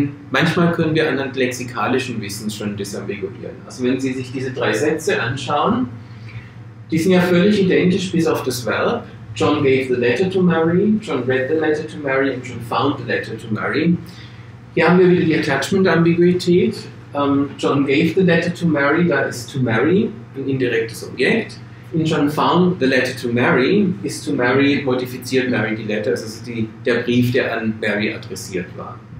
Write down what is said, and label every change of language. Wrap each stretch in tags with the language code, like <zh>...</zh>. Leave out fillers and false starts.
<de>Manchmal können wir anhand lexikalischen Wissens schon disambiguieren. Also wenn Sie sich diese 3 Sätze anschauen, die sind ja völlig identisch bis auf das Verb.</de> <en>John gave the letter to Mary, John read the letter to Mary and John found the letter to Mary.</en> <de>Hier haben wir wieder die Attachment-Ambiguität.</de> <en>John gave the letter to Mary,</en> <de>da ist</de> <en>to Mary</en> <de>ein indirektes Objekt. In</de> <en>John found the letter to Mary,</en> <de>ist</de> <en>to Mary,</en> <de>modifiziert Mary die Letter, also der Brief, der an Mary adressiert war.</de>